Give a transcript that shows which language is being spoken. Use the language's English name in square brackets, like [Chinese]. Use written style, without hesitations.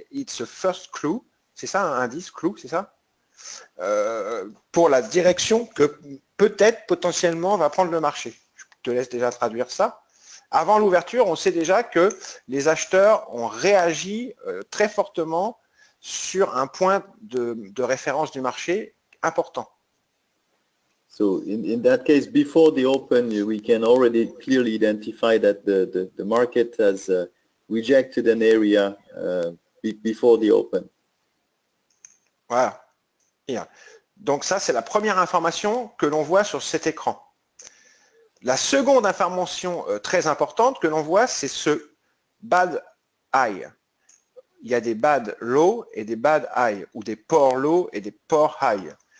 [English] It's a first clue. [French] C'est ça, un indice, clue, c'est ça? Pour la direction que peut-être, potentiellement, va prendre le marché. Je te laisse déjà traduire ça. Avant l'ouverture, on sait déjà que les acheteurs ont réagi très fortement sur un point de référence du marché important. [English] So in that case, before the open, we can already clearly identify that the market has rejected an area before the open. Voilà. Yeah. [French] Donc ça, c'est la première information que l'on voit sur cet écran. La seconde information très importante que l'on voit, c'est ce bad high. Il y a des bad low et des bad high, ou des poor low et des poor high.